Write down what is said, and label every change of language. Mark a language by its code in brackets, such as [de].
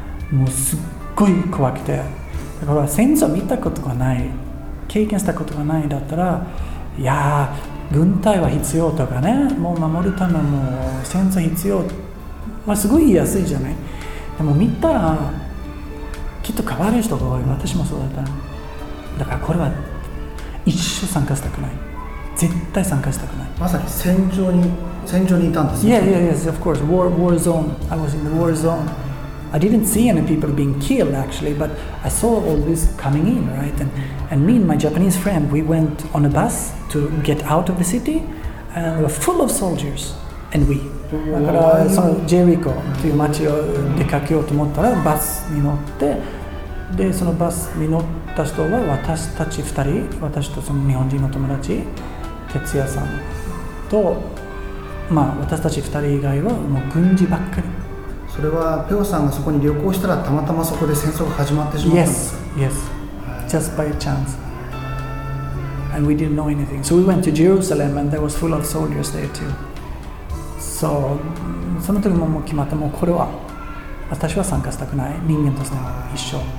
[ja] もうすっごい怖くて、だから戦争見たことがない、経験したことがないだったら、いや軍隊は必要とかね、もう守るためも戦争必要、すごい安いじゃない。でも見たらきっと変わる人が多い、私もそうだった、だからこれは一生参加したくない、絶対参加したくない。まさに戦場にいたんですよ。 [en] Yes, of course. War zone. I was in the war zone. I didn't see any people being killed, actually, but I saw all this coming in, right? And me and my Japanese friend, we went on a bus to get out of the city, and we were full of soldiers, and we. [ja] だから、そのジェリコという街を出かけようと思ったら、バスに乗って、で、そのバスに乗った人は、私たち二人、私とその日本人の友達、哲也さんと、私たち2人以外はもう軍事ばっかり。それはピョーさんがそこに旅行したら、たまたまそこで戦争が始まってしまったんですか。 [en] Yes, yes, just by chance. And we didn't know anything. So we went to Jerusalem and there was full of soldiers there too. [ja] So, その時ももう決まった、もうこれは私は参加したくない、人間としては一生。